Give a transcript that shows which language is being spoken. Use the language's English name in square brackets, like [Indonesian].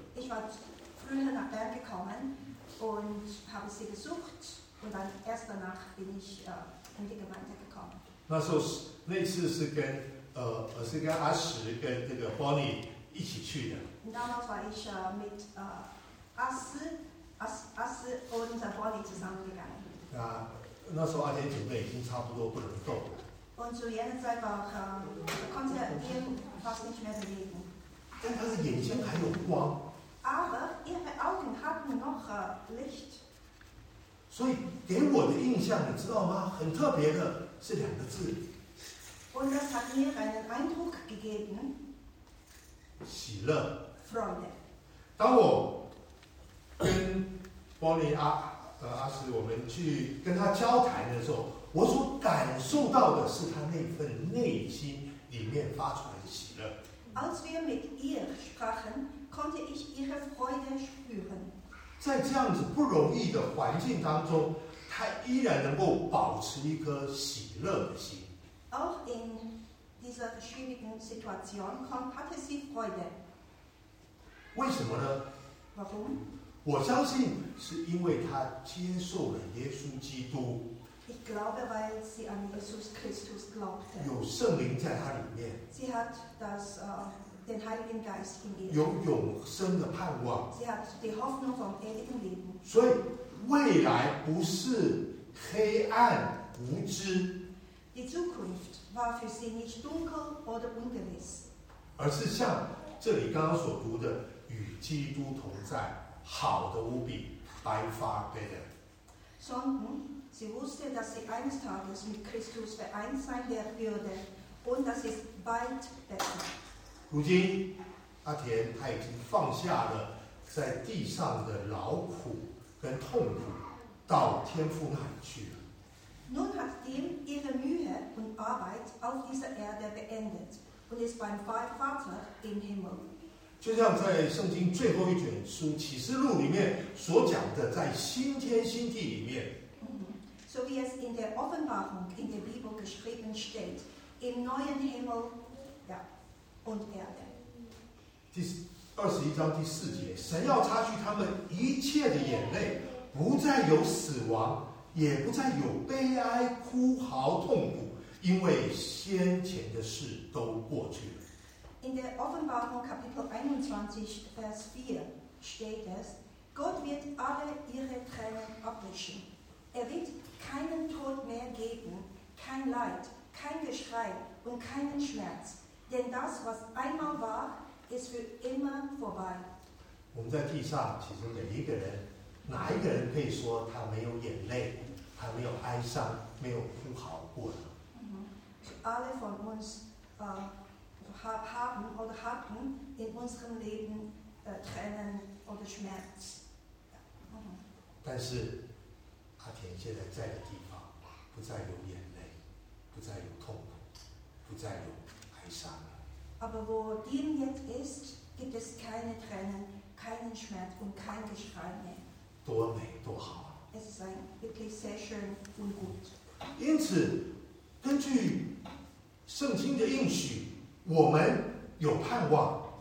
[German] Ich war früher nach Bern gekommen und habe sie besucht und dann erst danach bin ich in die Gemeinde gekommen. [Chinese] 那时候那次是跟是跟阿石跟这个 Bonnie 一起去的。 [German] Damals war ich mit Asse und Bonnie zusammengegangen. [Chinese] 那那时候阿田姐妹已经差不多不能动了。 [German] Und zu jener Zeit war konnte ihr fast nicht mehr bewegen. [Chinese] 但她的眼睛还有光。 [German] Aber ihre Augen hatten noch Licht. [Chinese] 所以给我的印象，你知道吗？很特别的是两个字。 [German] Und das hat mir einen Eindruck gegeben. [Chinese] 喜乐。 [German] Freude. [Chinese] 当我跟玻璃阿。阿石，我们去跟他交谈的时候，我所感受到的是他那份内心里面发出来的喜乐。 [German] Als wir mit ihr sprachen, konnte ich ihre Freude spüren. [Chinese] 在这样子不容易的环境当中，他依然能够保持一颗喜乐的心。 [German] Auch in dieser schwierigen Situation hatte sie Freude. [Chinese] 为什么呢 [German] ？Warum？ [Chinese] 我相信是因为他接受了耶稣基督。 [German] Ich glaube, weil sie an Jesus Christus glaubte. [Chinese] 有圣灵在他里面。 [German] Sie hat das den Heiligen Geist in ihr. [Chinese] 有永生的盼望。 [German] Sie hat die Hoffnung vom ewigen Leben. [Chinese] 所以未来不是黑暗无知。 [German] Die Zukunft war für sie nicht dunkel oder ungewiss. [Chinese] 而是像这里刚刚所读的，与基督同在。好的无比 ， [English] by far better. [German] Sondern sie wusste, dass sie eines Tages mit Christus vereint sein würde, und das ist bald besser. [Chinese] 如今，阿田他已经放下了在地上的劳苦跟痛苦，到天父那里去了。 [German] nachdem ihre Mühe und Arbeit auf dieser Erde beendet und ist beim Vater im Himmel. [Chinese] 就像在圣经最后一卷书《启示录》里面所讲的，在新天新地里面。 [English] So as in the [German] Offenbarung [English] in the Bible [German] geschrieben steht, im neuen Himmel, ja, und Erde. [Chinese] 第二十一章第四节，神要擦去他们一切的眼泪，不再有死亡，也不再有悲哀、哭嚎、痛苦，因为先前的事都过去了。 [German] In der Offenbarung Kapitel 21, Vers 4 steht es, Gott wird alle ihre Tränen abwischen. Er wird keinen Tod mehr geben, kein Leid, kein Geschrei und keinen Schmerz. Denn das, was einmal war, ist für immer vorbei. [Chinese] 我们在地上，其实每一个人，哪一个人可以说他没有眼泪，他没有哀伤，没有哭嚎过呢？ [German] Alle von uns, haben oder hatten in unserem Leben Tränen oder Schmerz. [Chinese] 但是阿田现在在的地方不再有眼泪，不再有痛苦，不再有哀伤了。 [German] Aber wo dem jetzt ist, gibt es keine Tränen, keinen Schmerz und kein Geschrei mehr. [Chinese] 多美多好啊！ [German] Es ist ein wirklich sehr schön und gut. [Chinese] 因此，根据圣经的应许。我们有盼望。